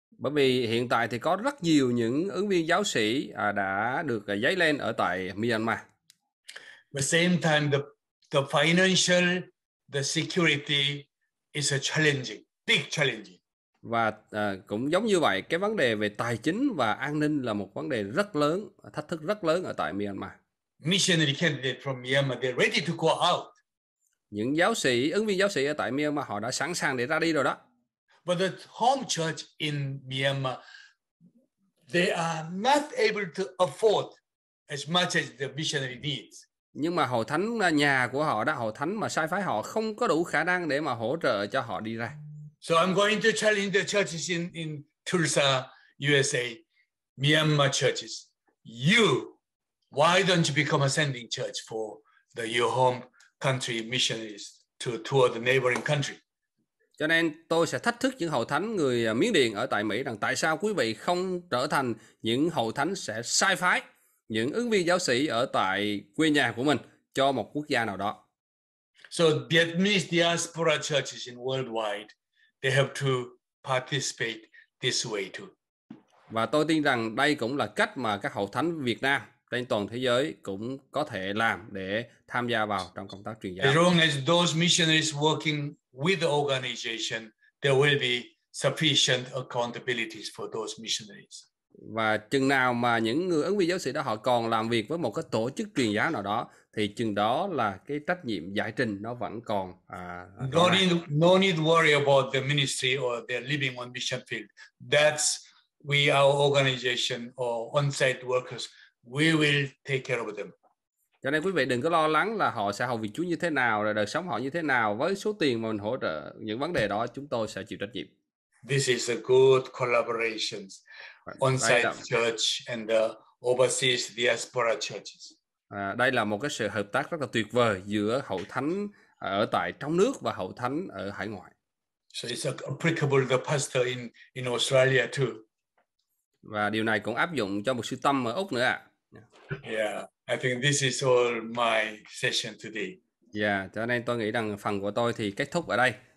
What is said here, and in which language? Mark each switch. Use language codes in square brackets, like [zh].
[vi] Bởi vì hiện tại thì có rất nhiều những ứng viên giáo sĩ đã được dấy lên ở tại Myanmar. [en] But same time the financial the security is a challenging, big challenge. [vi] Và cũng giống như vậy, cái vấn đề về tài chính và an ninh là một vấn đề rất lớn, thách thức rất lớn ở tại Myanmar. [en] Missionary candidate from Myanmar, they're ready to go out. [vi] Những giáo sĩ, ứng viên giáo sĩ ở tại Myanmar họ đã sẵn sàng để ra đi rồi đó. [en] But the home church in Myanmar, they are not able to afford as much as the missionary needs. [vi] Nhưng mà hội thánh nhà của họ đó, hội thánh mà sai phái họ không có đủ khả năng để mà hỗ trợ cho họ đi ra. [en] So I'm going to challenge the churches in Tulsa, USA, Myanmar churches. You, why don't you become a sending church for the your home country missionaries to tour the neighboring country? [vi] Cho nên tôi sẽ thách thức những hội thánh người Miến Điện ở tại Mỹ rằng tại sao quý vị không trở thành những hội thánh sẽ sai phái những ứng viên giáo sĩ ở tại quê nhà của mình cho một quốc gia nào đó. [en] So Vietnamese diaspora churches in worldwide, they have to participate this way too. [vi] Và tôi tin rằng đây cũng là cách mà các hội thánh Việt Nam trên toàn thế giới cũng có thể làm để tham gia vào trong công tác truyền giáo. [en] As long as those missionaries working with the organization, there will be sufficient accountabilities for those missionaries. [vi] Và chừng nào mà những người ứng viên giáo sĩ đó họ còn làm việc với một cái tổ chức truyền giáo nào đó thì chừng đó là cái trách nhiệm giải trình nó vẫn còn [en] no need worry about the ministry or their living on mission field. That's we our organization or on-site workers, we will take care of them. [vi] Cho nên quý vị đừng có lo lắng là họ sẽ hầu việc Chúa như thế nào, rồi đời sống họ như thế nào, với số tiền mà mình hỗ trợ những vấn đề đó chúng tôi sẽ chịu trách nhiệm. [en] This is a good collaboration on-site church and the overseas diaspora churches. [vi] Đây là một cái sự hợp tác rất là tuyệt vời giữa hậu thánh ở tại trong nước và hậu thánh ở hải ngoại. [en] So it's applicable to the pastor in Australia too. [vi] Và điều này cũng áp dụng cho một sư tâm ở Úc nữa ạ. [en] Yeah, I think this is all my session today. [vi] Yeah, cho nên tôi nghĩ rằng phần của tôi thì kết thúc ở đây.